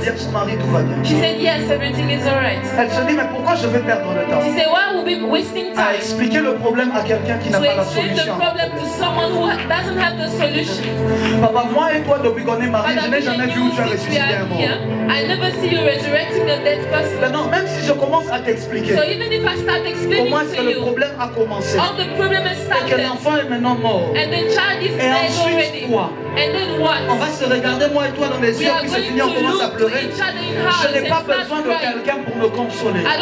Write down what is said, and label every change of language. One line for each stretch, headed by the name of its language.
French: Elle dit à son mari tout va bien.
English: She said yes, everything is alright.
French: Elle se dit mais pourquoi je vais perdre le temps?
English: She said why will we be wasting time?
French: À expliquer le problème à quelqu'un qui n'a pas la solution.
English: To explain the problem to someone who doesn't have the solution.
French: Papa, moi et toi depuis qu'on est mariés, je n'ai jamais vu où tu as ressuscité un mort.
English: I never see you resurrecting a dead person.
French: Mais non, même si je commence à t'expliquer.
English: So even if I start explaining
French: comment est-ce que le problème a commencé?
English: How the problem has started.
French: L'enfant est maintenant mort.
English: And the child is
French: et
English: dead
French: ensuite
English: already.
French: Quoi?
English: And then what?
French: On va se regarder moi et toi dans les yeux puis se finir, on commence à pleurer. Je n'ai pas besoin de quelqu'un pour me consoler.